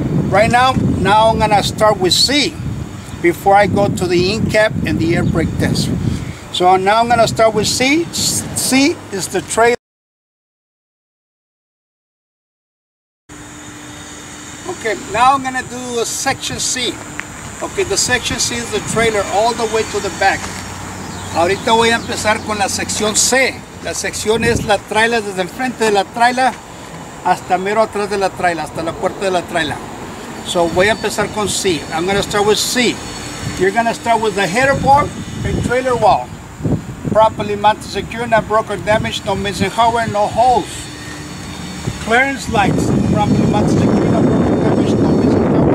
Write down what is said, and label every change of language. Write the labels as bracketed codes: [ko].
[en] Right now I'm gonna start with C before I go to the in-cap and the air brake test. So now I'm gonna start with C. C is the trailer. Okay, now I'm gonna do a section C. Okay, the section C is the trailer all the way to the back. [es] Ahorita voy a empezar con la sección C. La sección es la trailer, desde el frente de la trailer hasta mero atrás de la trailer, hasta la puerta de la trailer. [en] So [es] voy a empezar con C. [en] I'm gonna start with C. You're gonna start with the header board and trailer wall. Properly mounted, secure, not broken, damaged, no missing hardware, no holes. Clearance lights, properly mounted, secure, not broken.